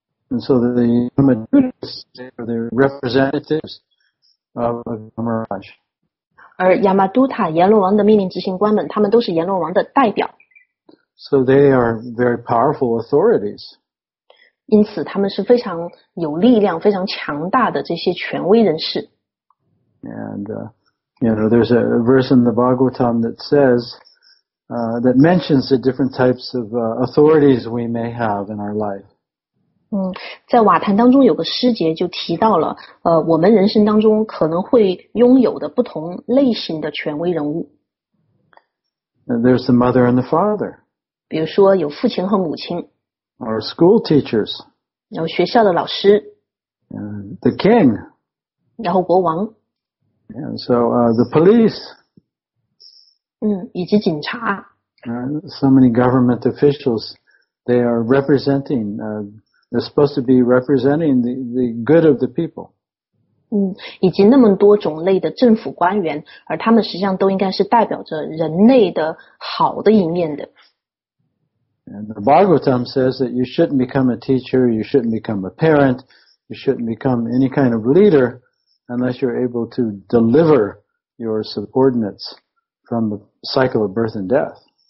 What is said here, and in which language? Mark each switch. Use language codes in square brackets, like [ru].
[en] And so the Yamaraj, the representatives of Yamaraj. [zh] 而 Yamaduta 阎罗王的命令执行官们，他们都是阎罗王的代表。 [en] So they are very powerful authorities. [zh] 因此他们是非常有力量非常强大的这些权威人士。 [en] And, you know, there's a verse in the Bhagavatam that says, that mentions the different types of authorities we may have in our life. [zh] 在瓦坛当中有个诗节就提到了我们人生当中可能会拥有的不同类型的权威人物。 [en] And there's the mother and the father. [zh] 比如说有父亲和母亲。 [en] Or school teachers. [zh] 然后学校的老师。 [en] The king. [zh] 然后国王。 [en] And so, the police. [zh] 以及警察。 [en] So many government officials, they are representing, they're supposed to be representing the good of the people. [zh] 以及那么多种类的政府官员，而他们实际上都应该是代表着人类的好的一面的。 [en] And the Bhagavatam says that you shouldn't become a teacher, you shouldn't become a parent, you shouldn't become any kind of leader,unless you're able to deliver your subordinates from the cycle of birth and death.